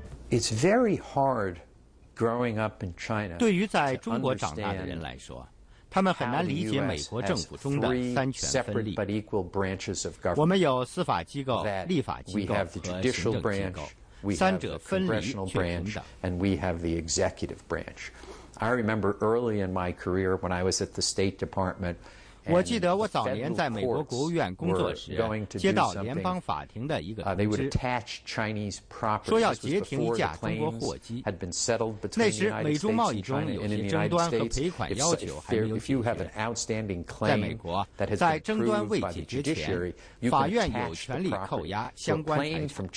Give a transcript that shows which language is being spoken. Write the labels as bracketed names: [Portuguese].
[English] It's very hard growing up in China. [Chinese] 对于在中国长大的人来说，他们很难理解美国政府中的三权分立。我们有司法机构、立法机构和行政机构，三者分离却平等。 [English] And we have the executive branch. I remember early in my career when I was at the State Department. [Chinese] 我记得我早年在美国国务院工作时，接到联邦法庭的一个通知，说要截停一架中国货机。那时美中贸易中有些争端和赔款要求还没有解决，在美国，在争端未解决前，法院有权利扣押相关财产。